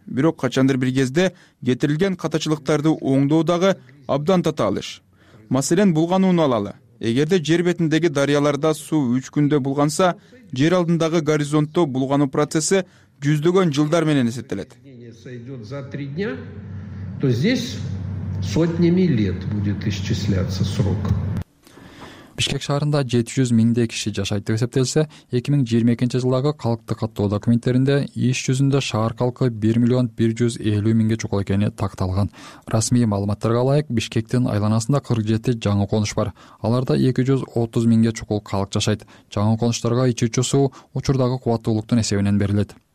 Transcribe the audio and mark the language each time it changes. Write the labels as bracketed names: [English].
[Kyrgyz] Бирок качандыр бир кезде кетирилген катачылыктарды оңдоодагы абдан татаал иш. Маселен, булгануну алалы. Эгерде жер бетиндеги дарыяларда суу 3 күндө булганса, жер алдындагы горизонтто булгануу процесси жүздөгөн жылдар менен эсептелет. [Russian] То здесь сотнями лет будет исчисляться срок. [Kyrgyz] Бишкек шаарында 700 миңдей киши жашайт деп эсептелсе, 2022 жылдагы калкты каттоо документтеринде иш жүзүндө шаар калкы 1,150,000 чукул экени такталган. Расмий маалыматтарга ылайык, Бишкектин айланасында 47 жаңы конуш бар. Аларда 230,000 чукул калк жашайт. Жаңы конуштарга ичүүчү суу учурдагы кубаттуулуктун эсебинен берилет.